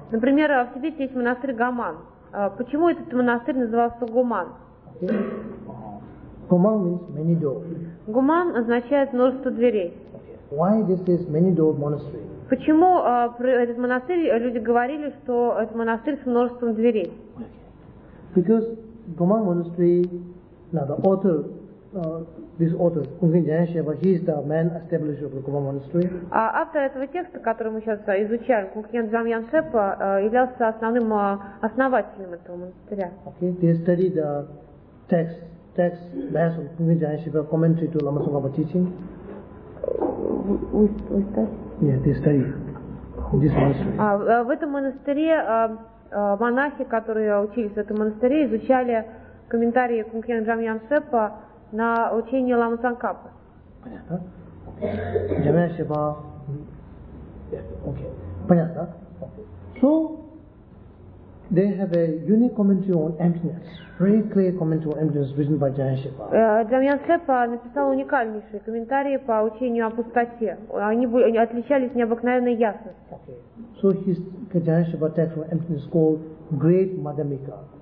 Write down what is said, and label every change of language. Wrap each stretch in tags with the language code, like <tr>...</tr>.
<ru>Например, в Тибете есть монастырь Гоман. Почему этот монастырь назывался Гоман?</ru> <en>Gomang means many doors.</en> <ru>Гоман означает множество дверей.</ru> <en>Why this is many door monastery?</en> <ru>Почему этот монастырь, люди говорили, что это монастырь с множеством дверей?</ru> <en>Because Gomang monastery, now the author, this author, Kunzin Jianxiebo, he is the main establisher of the Gomang monastery.</en> <ru>А автор этого текста, который мы сейчас изучаем, Кунзин Джианшепа, являлся основным основателем этого монастыря.</ru> <en>Okay, they study the text. Text based on Kunzin Jianxiebo commentary to Lama Tsongkhapa teaching. Which text? Yeah, this study. This monastery.</en> <ru>В этом монастыре монахи, которые учились в этом монастыре, изучали комментарии Кунзин Джианшепа на учение Лама Цанкапа. Понятно? Джианшепа.</ru> <en>Okay.</en> <ru>Понятно?</ru> <en>So they have a unique commentary on emptiness. Very clear commentary on emptiness written by Jayashipa.</en> <ru>Джамьяншепа написал уникальнейшие комментарии по учению о пустоте. Они отличались необыкновенной ясностью.</ru> <en>Okay. So his Jayashipa text on emptiness called Great Madhyamika.</en>